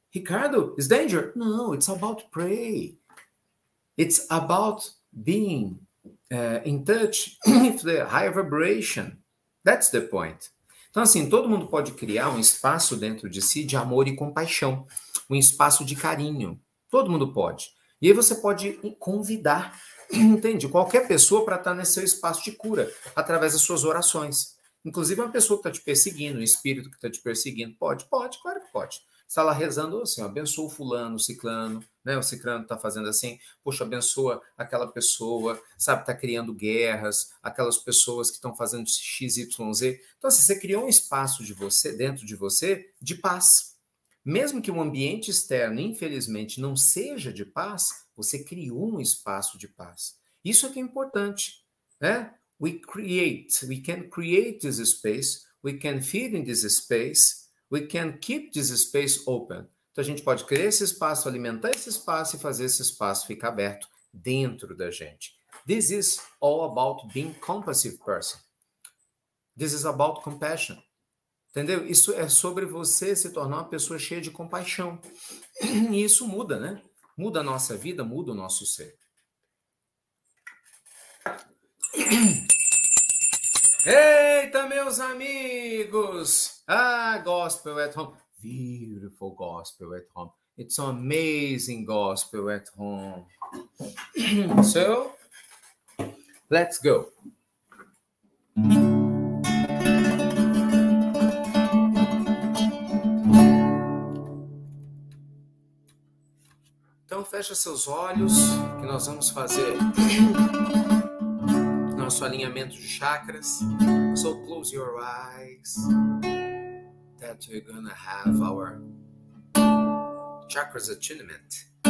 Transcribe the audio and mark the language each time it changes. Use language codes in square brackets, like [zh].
[en] Ricardo, it's danger. No, it's about pray. It's about being in touch with the higher vibration. That's the point. [pt] Então, assim, todo mundo pode criar um espaço dentro de si de amor e compaixão. Um espaço de carinho. Todo mundo pode. E aí você pode convidar, entende? Qualquer pessoa para estar nesse seu espaço de cura, através das suas orações. Inclusive uma pessoa que está te perseguindo, um espírito que está te perseguindo. Pode? Pode, claro que pode. Você está lá rezando assim, ó, abençoa o fulano, o ciclano, né? O ciclano está fazendo assim, poxa, abençoa aquela pessoa, sabe, está criando guerras, aquelas pessoas que estão fazendo x, y, z. Então, assim, você criou um espaço de você, dentro de você, de paz. Mesmo que o ambiente externo, infelizmente, não seja de paz, você criou um espaço de paz. Isso é que é importante, né? [en] We can create this space, we can feed in this space, we can keep this space open. [pt] Então a gente pode criar esse espaço, alimentar esse espaço e fazer esse espaço ficar aberto dentro da gente. [en] This is all about being compassive person. This is about compassion. [pt] Entendeu? Isso é sobre você se tornar uma pessoa cheia de compaixão. E isso muda, né? Muda a nossa vida, muda o nosso ser. Eita, meus amigos! Ah, [en] gospel at home. Beautiful gospel at home. It's an amazing gospel at home. So, let's go. [pt] Então, fecha seus olhos, que nós vamos fazer nosso alinhamento de chakras. [en] So close your eyes, that we're gonna have our chakras attunement.